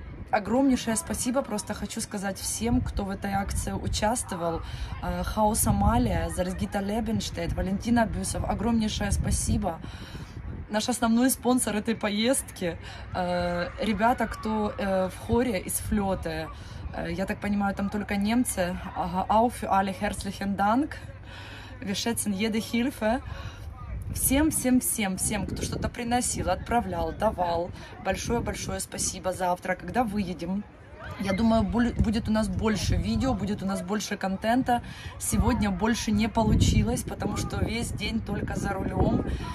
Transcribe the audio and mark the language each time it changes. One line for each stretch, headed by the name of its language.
Russian: Огромнейшее спасибо просто хочу сказать всем, кто в этой акции участвовал. Хаос Амалия, Зальцгита Лебенштедт, Валентина Бюсов. Огромнейшее спасибо. Наш основной спонсор этой поездки. Ребята, кто в хоре из Флёте. Я так понимаю, там только немцы.
German: Auf alle herzlichen Dank. Wir schätzen jede Hilfe.
Russian: Всем, кто что-то приносил, отправлял, давал, большое-большое спасибо. Завтра, когда выедем, я думаю, будет у нас больше видео, будет у нас больше контента. Сегодня больше не получилось, потому что весь день только за рулем.